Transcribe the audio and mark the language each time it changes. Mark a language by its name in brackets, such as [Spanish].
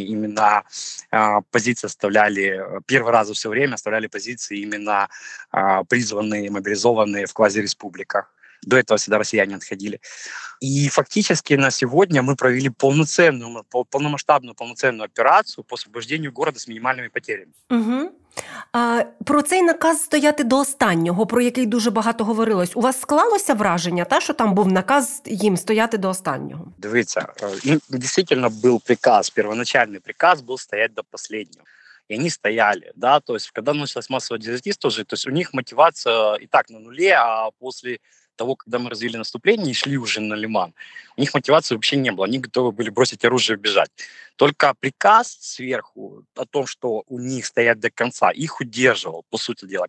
[Russian] Именно позиции оставляли, первый раз все время оставляли позиции именно призванные, мобилизованные в квазиреспубликах. До этого всегда россияне отходили. И фактически на сегодня мы провели полномасштабную операцию по освобождению города с минимальными потерями. Угу. [Ukrainian] Про цей наказ стояти до останнього, про який дуже багато говорилось. У вас склалося враження, та, що там був наказ їм стояти до останнього? Дивіться, дійсно був приказ, первоначальний приказ був стояти до останнього. [Russian] И они стояли, да, то есть, когда началось массовое дезертирство, то есть, у них мотивация и так на нуле, а после того, когда мы развили наступление и шли уже на Лиман, у них мотивации вообще не было, они готовы были бросить оружие и бежать. Только приказ сверху о том, что у них стоять до конца, их удерживал, по сути дела.